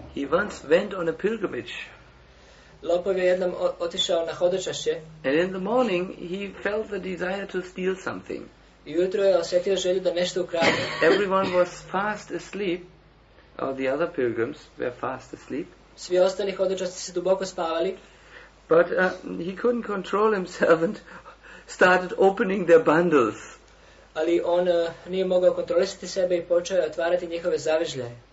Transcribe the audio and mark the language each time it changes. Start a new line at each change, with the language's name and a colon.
English: He once went on a pilgrimage.
Croatian: Lopov je jednom otišao na hodočašće.
English: And in the morning he felt the desire to steal something.
Croatian: I ujutro je osjetio želju da nešto ukrade.
English: Everyone was fast asleep, or the other pilgrims were fast asleep.
Croatian: Svi ostali hodočašci se duboko spavali.
English: But he couldn't control himself and started opening their bundles.
Croatian: Ali on nije mogao kontrolisati sebe i počeo je otvarati njihove zavežljaje.